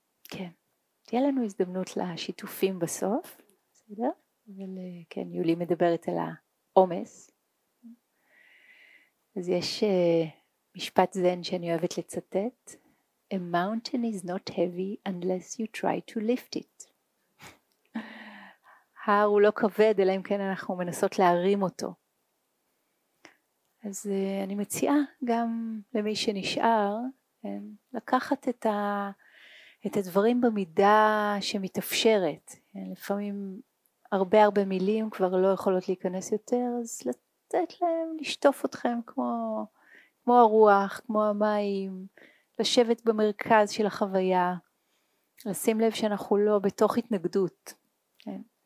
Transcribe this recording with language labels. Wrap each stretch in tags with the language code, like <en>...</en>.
<he>כן, תהיה לנו הזדמנות לשיתופים בסוף, בסדר? וכן, יולי מדברת על האומס. אז יש משפט זן שאני אוהבת לצטט:</he> <en>A mountain is not heavy unless you try to lift it.</en> <he>הר הוא לא כבד אלא אם כן אנחנו מנסות להרים אותו. אז אני מציעה גם למי שנשאר, כן, לקחת את את הדברים במידה שמתאפשרת. כן, לפעמים הרבה הרבה מילים כבר לא יכולות להיכנס יותר, אז לתת להם לשטוף אתכם כמו הרוח, כמו המים, לשבת במרכז של החוויה, לשים לב שאנחנו לא בתוך התנגדות. כן.</he>